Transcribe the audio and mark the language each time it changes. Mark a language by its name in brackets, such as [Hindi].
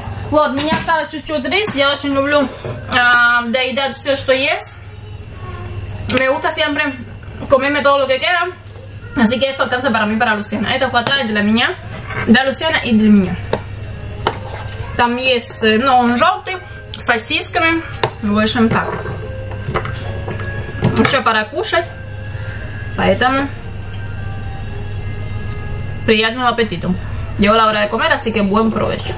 [Russian] Вот, меня осталось чуть-чуть рис. Я очень люблю доедать все, что есть. [Spanish] Me gusta siempre comerme todo lo que queda. Así que esto alcanza para mí, para Luciana. [Russian] Это хватает для меня, для Luciana и для меня. Там есть, ну, он желтый, с сосисками. В общем, так. Еще пора кушать. Поэтому приятного аппетита. [Spanish] Llegó la hora de comer, así que buen provecho.